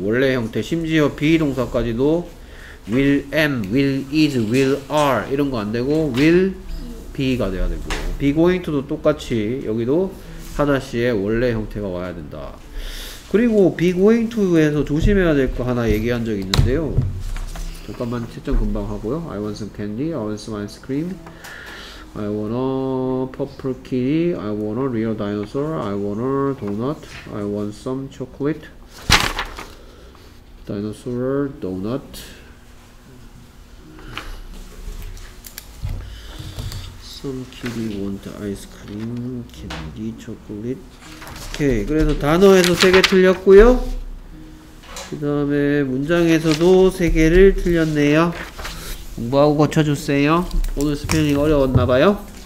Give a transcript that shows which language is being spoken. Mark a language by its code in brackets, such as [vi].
[ko] 원래 형태 심지어 be 동사까지도 [en] will am, will is, will are [ko] 이런 거 안 되고 will be가 돼야 되고 be going to도 똑같이 여기도 하다시의 원래 형태가 와야 된다. 그리고 be going to에서 조심해야 될 거 하나 얘기한 적이 있는데요. 잠깐만 채점 금방 하고요. [en] I want some candy, I want some ice cream, I want a purple kitty, I want a real dinosaur, I want a donut, I want some chocolate, dinosaur, donut. Some kitty want ice cream, candy, chocolate. [ko] Okay, 그래서 단어에서 세 개 틀렸고요. 그 다음에 문장에서도 세 개를 틀렸네요. 공부하고 고쳐주세요. 오늘 스펠링 어려웠나봐요.